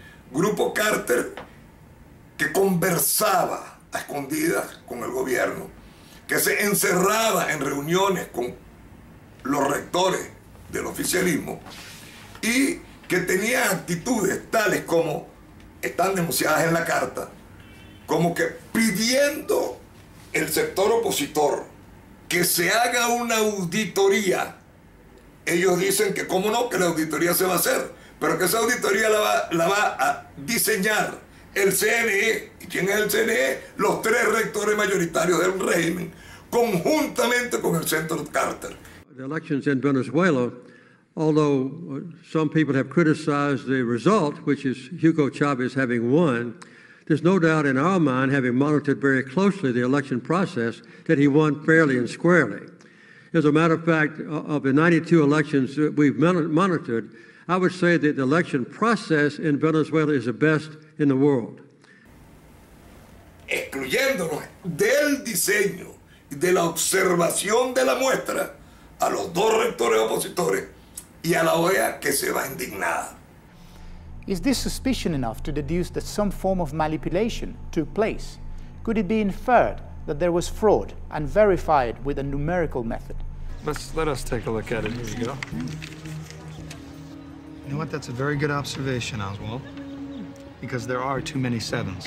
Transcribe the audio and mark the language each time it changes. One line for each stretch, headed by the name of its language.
Spanish: Grupo Carter, que conversaba a escondidas con el gobierno, que se encerraba en reuniones con los rectores del oficialismo y que tenía actitudes tales como, están denunciadas en la carta, como que pidiendo el sector opositor que se haga una auditoría. Ellos dicen que cómo no, que la auditoría se va a hacer, pero que esa auditoría la va a diseñar el CNE. ¿Y quién es el CNE? Los tres rectores mayoritarios del régimen, conjuntamente con el Centro Carter.
English: The elections in Venezuela, although some people have criticized the result, which is Hugo Chavez having won, there's no doubt in our mind, having monitored very closely the election process, that he won fairly and squarely. As a matter of fact, of the 92 elections that we've monitored, I would say that the election process in Venezuela is the best in the world.
Spanish: Excluyéndonos del diseño y de la observación de la muestra a los dos rectores opositores y a la OEA, que se va indignada.
English: Is this suspicion enough to deduce that some form of manipulation took place? Could it be inferred that there was fraud and verified with a numerical method? Let us take a look at it. Here we go. You know what? That's a very good observation, Oswald. Because there are too many sevens.